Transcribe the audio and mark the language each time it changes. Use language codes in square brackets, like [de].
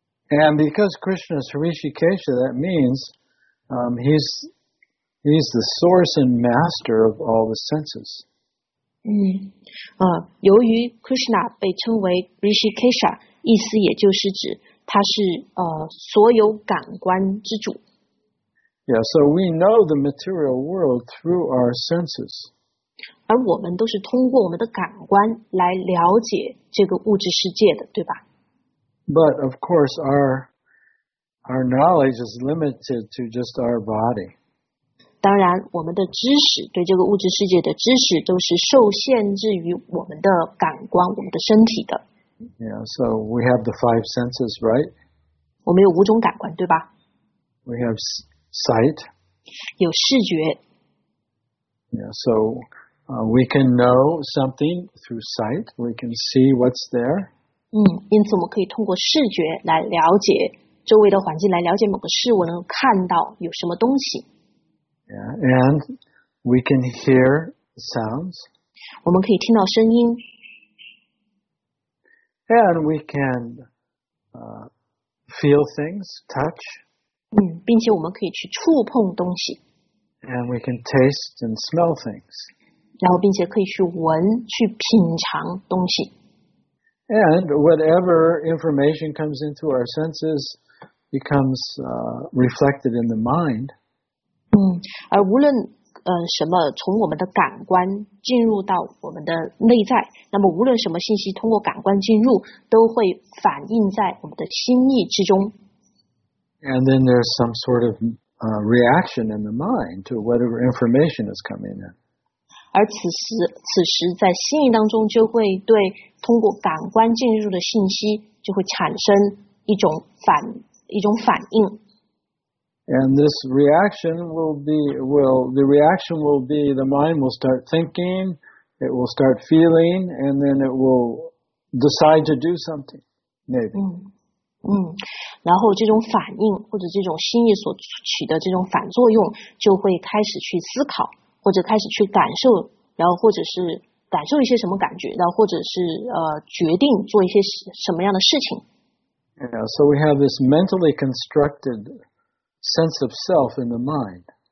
[en] And because Krishna is Hrishikesha, that means he's the source and master of all the senses. [zh] 由于 Krishna 被称为 Hrishikesha, 意思也就是指他是所有感官之主。 [en] Yeah, so we know the material world through our senses. [zh] 而我们都是通过我们的感官来了解这个物质世界的，对吧？ [en] But of course, our knowledge is limited to just our body. [zh] 当然，我们的知识对这个物质世界的知识都是受限制于我们的感官、我们的身体的。 [en] Yeah, so we have the five senses, right? [zh] 我们有五种感官，对吧 [en] ？We have sight. [zh] 有视觉。 [en] Yeah, so we can know something through sight. We can see what's there. [zh] 因此我们可以通过视觉来了解周围的环境，来了解某个事物，能看到有什么东西。 [en] Yeah, and we can hear sounds. [zh] 我们可以听到声音。 [en] And we can feel things, touch. [zh] 并且我们可以去触碰东西。 [en] And we can taste and smell things. [zh] 然后并且可以去闻，去品尝东西。 [en] And whatever information comes into our senses becomes reflected in the mind. [zh] 而无论什么从我们的感官进入到我们的内在，那么无论什么信息通过感官进入，都会反映在我们的心意之中。 [en] And then there's some sort of reaction in the mind to whatever information is coming in. [zh] 而此时在心意当中就会对通过感官进入的信息就会产生一种反应。 [en] And this reaction the reaction will be the mind will start thinking, it will start feeling, and then it will decide to do something, maybe. [zh] 然后这种反应或者这种心意所取得这种反作用就会开始去思考。或者开始去感受，然后或者是感受一些什么感觉，然后或者是决定做一些什么样的事情。 [en] Yeah, so we have this mentally constructed sense of self in the mind.